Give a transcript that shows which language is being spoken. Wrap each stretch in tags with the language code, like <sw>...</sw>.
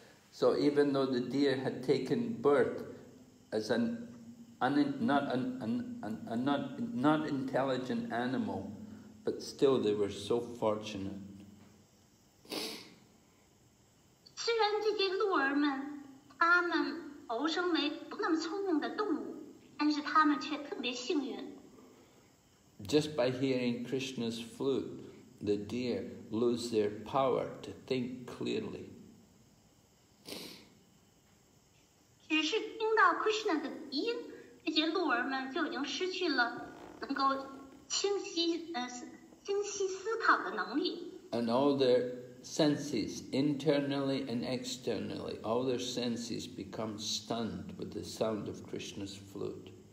<en>So even though the deer had taken birth as not intelligent animal, but still they were so fortunate.</en> <zh>虽然这些鹿儿们，他们投生为不那么聪明的动物，但是他们却特别幸运。</zh> <en>Just by hearing Krishna's flute, the deer lose their power to think clearly.</en> <zh>只是听到 Krishna的笛音。这些鹿儿们就已经失去了能够清晰思考的能力。And</zh> <en>all their senses, internally and externally, all their senses become stunned with the sound of Krishna's flute.</en>